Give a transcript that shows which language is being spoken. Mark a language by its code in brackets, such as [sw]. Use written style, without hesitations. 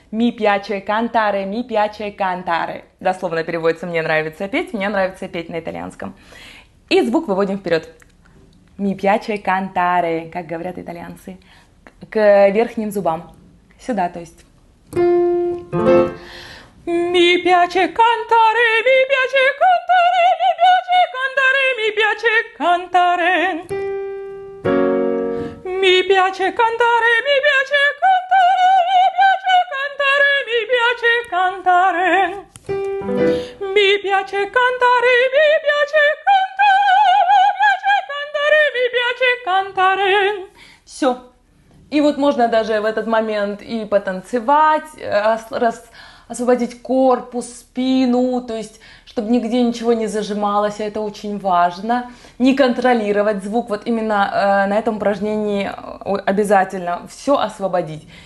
[it] Ми пяче кантаре, ми пяче кантаре. [ru] Дословно переводится мне нравится петь на итальянском. И звук выводим вперед. [it] Mi piace cantare, [ru] как говорят итальянцы, к верхним зубам. Сюда, то есть. [it] Mi piace cantare, mi piace cantare, mi piace cantare, mi piace cantare. Mi piace cantare, mi piace cantare, mi piace cantare, mi piace cantare. Mi piace cantare, mi piace cantare. [ru] Все. И вот можно даже в этот момент и потанцевать, освободить корпус, спину, то есть, чтобы нигде ничего не зажималось, это очень важно. Не контролировать звук, вот именно на этом упражнении обязательно все освободить.